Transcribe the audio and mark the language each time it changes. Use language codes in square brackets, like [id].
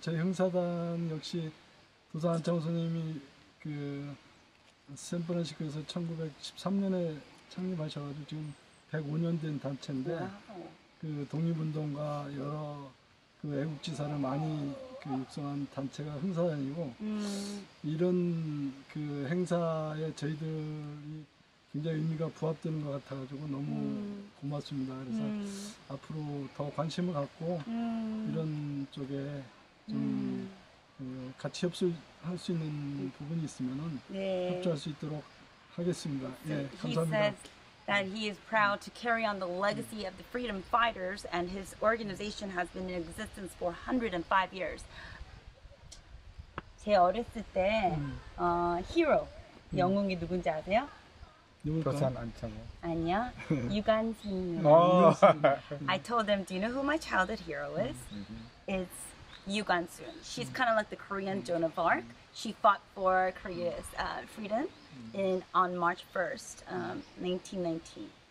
[ko] 제 흥사단 역시 도산 안창호 선생님이 그 샌프란시스코에서 1913년에 창립하셔가지고 지금 105년 된 단체인데 그 독립운동과 여러 그 애국지사를 많이 그 육성한 단체가 흥사단이고 이런 그 행사에 저희들이 굉장히 의미가 부합되는 것 같아가지고 너무 고맙습니다. 그래서 앞으로 더 관심을 갖고 이런 쪽에 좀 같이 협조할 수 있는 부분이 있으면은 협조할 수 있도록 하겠습니다. 예, 감사합니다. [en] He says that he is proud to carry on the legacy of the freedom fighters and his organization has been in existence for 105 years. [ko] 제 어렸을 때 히어로 영웅이 누군지 아세요? 도산 안창호. 아니요. 유관순. [en] I told them, do you know who my childhood hero is? It's 유관순. She's kind of like the Korean Joan of Arc. She fought for Korea's freedom on March 1st, 1919.